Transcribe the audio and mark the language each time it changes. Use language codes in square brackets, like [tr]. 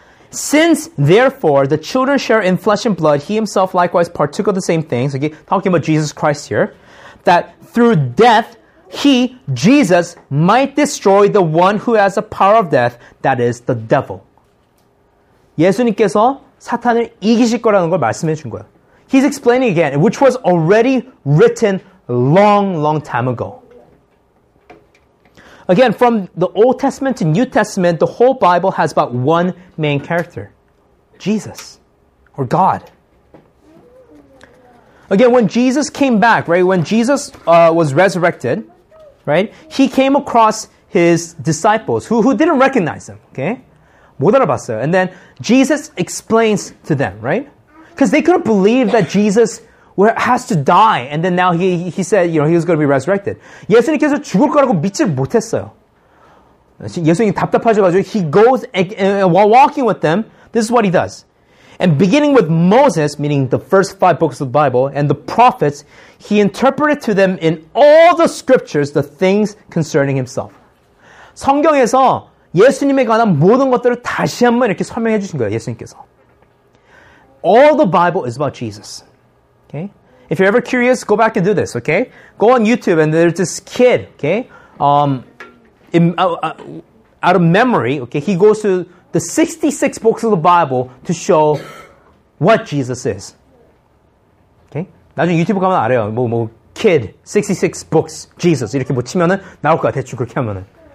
[en] Since, therefore, the children share in flesh and blood, he himself likewise partook of the same things, okay, talking about Jesus Christ here, that through death, he, Jesus, might destroy the one who has the power of death, that is, the devil. [ko] 예수님께서 사탄을 이기실 거라는 걸 말씀해 준 거야. [en] He's explaining again, which was already written long, long time ago. Again, from the Old Testament to New Testament, the whole Bible has about one main character. Jesus, or God. Again, when Jesus came back, right, when Jesus was resurrected, right? He came across his disciples who didn't recognize him, okay? [ko] 못 알아봤어요. [en] And then Jesus explains to them, right? Because they couldn't believe that Jesus has to die. And then now he said, you know, he was going to be resurrected. [ko] 예수님께서 죽을 거라고 믿지 못했어요. 예수님이 답답하셔가지고 [en] he goes, while walking with them, this is what he does. And beginning with Moses, meaning the first five books of the Bible, and the prophets, he interpreted to them in all the scriptures the things concerning himself. [ko] 성경에서 예수님에 관한 모든 것들을 다시 한번 이렇게 설명해 주신 거예요, 예수님께서. [en] All the Bible is about Jesus. Okay? If you're ever curious, go back and do this, okay? Go on YouTube and there's this kid, okay? Out of memory, okay, he goes to the 66 books of the Bible to show what Jesus is. Okay? [ko] 나중에 유튜브 가면 알아요. [en] 뭐, kid, 66 books, Jesus. [ko] 이렇게 뭐 치면은 나올 것 같아, 대충 그렇게 하면은.